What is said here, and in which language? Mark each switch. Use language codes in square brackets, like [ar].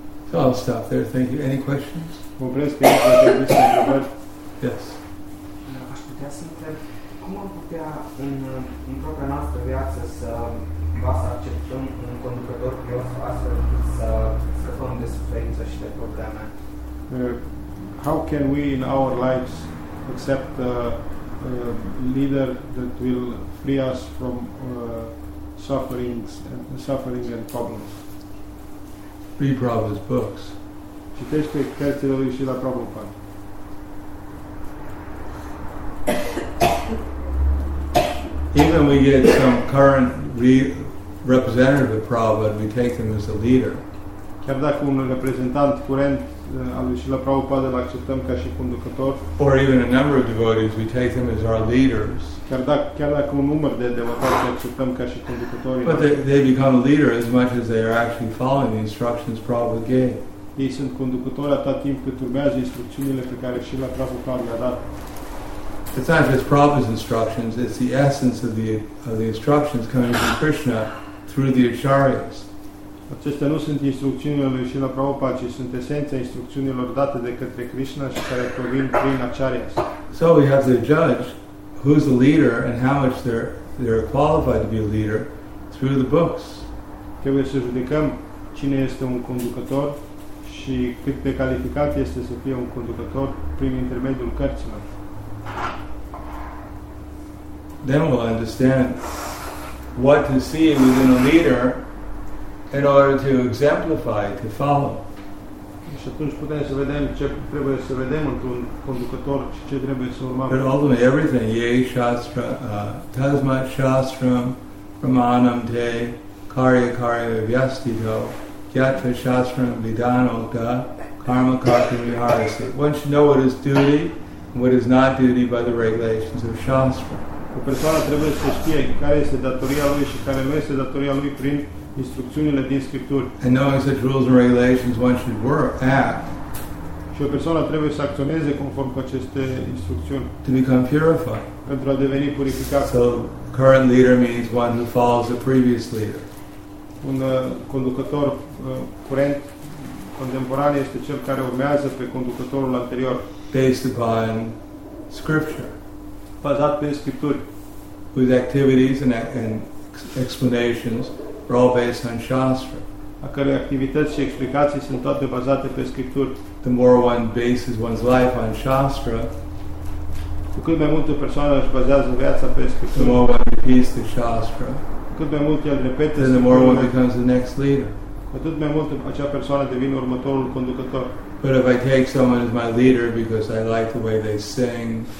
[en] So I'll stop there. Thank you. Any questions? [ro] Mă opresc că ești la trebuie să întrebări. [en] Yes. [ro] Aș putea să întreb. Cum am putea în propria noastră viață să va să acceptăm un conducător pios astfel să scăpăm de suferință și de probleme? [en] How can we in our lives accept a leader that will free us from suffering and problems? Read Prabhupada's books. [ro] Citește cărțile lui Srila Prabhupada. [en] Even we get some current representative of Prabhupada, we take them as a leader. [ro] chiar dacă un reprezentant curent al lui Srila Prabhupada îl acceptăm ca și conducător, [en] or even a number of devotees, we take them as our leaders. [ro] Chiar dacă un număr de devotați acceptăm ca și conducători, [en] but they become a leader as much as they are actually following the instructions Prabhupada gave. [ro] Ei sunt conducători atât timp cât urmează instrucțiunile pe care Srila Prabhupada le-a dat. [en] It's not just Prabhupada's instructions, it's the essence of the instructions coming from Krishna through the acharyas. [ro] Acestea nu sunt instrucțiunile lui Srila Prabhupada, ci sunt esența instrucțiunilor date de către Krishna și care provin prin acharyas. [en] So we have to judge who's the leader and how much they're qualified to be a leader through the books. [ro] Trebuie să judecăm cine este un conducător și cât de calificat este să fie un conducător prin intermediul cărților. [en] Then we'll understand what to see within a leader in order to exemplify, to follow. [ro] Și atunci putem să vedem ce trebuie să vedem într-un conducător și ce trebuie să urmăm. [sa] But ultimately everything, yei shastra, tasmat shastram, pramanam te, karya karya vyastito, gyatva shastram vidanota, karma karya viharasi. [en] One should know what is duty and what is not duty by the regulations of shastra. [ro] O persoană trebuie să știe care este datoria lui și care nu este datoria lui prin instrucțiunile din Scripturi. [en] And knowing such rules and regulations, one should work, act. [ro] Și o persoană trebuie să acționeze conform cu aceste instrucțiuni. [en] To become purified. [ro] Pentru a deveni purificat. [en] So, current leader means one who follows the previous leader. [ro] Un conducător curent, contemporan, este cel care urmează pe conducătorul anterior. [en] Based upon Scripture. [ro] Bazat pe Scripturi. [en] Whose activities and explanations are all based on Shastra. [ro] A cărei activități și explicații sunt toate bazate pe Scripturi. [en] The more one bases one's life on Shastra, [ro] cu cât mai mult o persoană își bazează viața pe Scripturi, [en] the more one repeats the Shastra, [ro] cu cât mai mult el repete, [en] then the more one becomes the next leader. [ro] Cu atât mai mult acea persoană devine următorul conducător. [en] But if I take someone as my leader because I like the way they sing,